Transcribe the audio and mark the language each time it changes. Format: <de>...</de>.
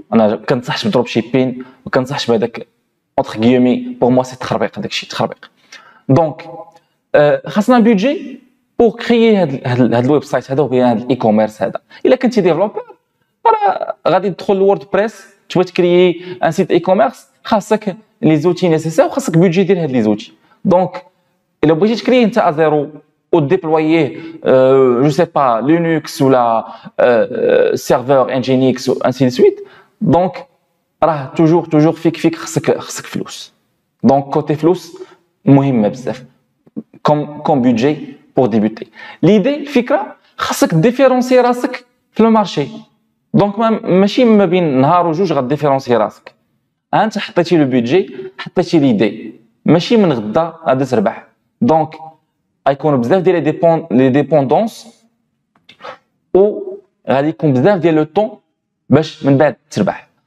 <ar>انا كنصحش بدروب شيبين وكنصحش بهذاك اونتر غيومي، بور موا سي تخربيق، هذاك الشيء تخربيق. دونك خصنا بيدجي بور كريي هاد الويب سايت هذا وبيان هاد الاي كوميرس هذا. الا كنتي ديفلوبر راه غادي تدخل لووردبريس تبغي تكريي ان سيت اي كوميرس، خاصك لي زوتي نيسيسير وخاصك بيدجي ديال هاد لي زوتي. دونك الا بغيتي تكريي انت ا زيرو</ar> <fr>ou déployer je sais pas Linux ou la serveur Nginx ou ainsi de suite.</fr> <ar>Donc راه toujours fik خصك فلوس.</ar> <fr>Donc côté</fr> <ar>فلوس مهم بزاف</ar> <fr>comme budget pour débuter.</fr> <ar>L'idée fikra خصك différencier راسك في المارشي. Donc ماشي ما بين نهار وجوج غديفيرونسيير راسك، انت حطيتي لو بودجي، حطيتي ليدي، ماشي من غدا غادي تربح. Donc غيكون بزاف ديال لي ديبوندونس و غادي يكون بزاف ديال لو طون باش من بعد تربح.</ar>